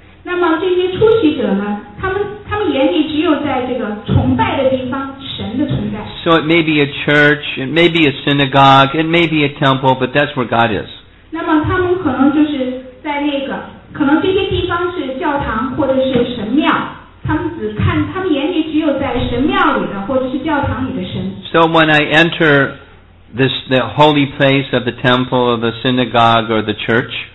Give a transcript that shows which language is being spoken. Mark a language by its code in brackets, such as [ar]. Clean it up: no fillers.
[zh] 那么这些初学者呢，他们眼里只有在这个崇拜的地方，神的存在。 [en] So it may be a church, it may be a synagogue, it may be a temple, but that's where God is. [zh] 那么他们可能就是在那个，可能这些地方是教堂或者是神庙，他们眼里只有在神庙里的或者是教堂里的神。 [en] So when I enter. The holy place of the temple or the synagogue or the church.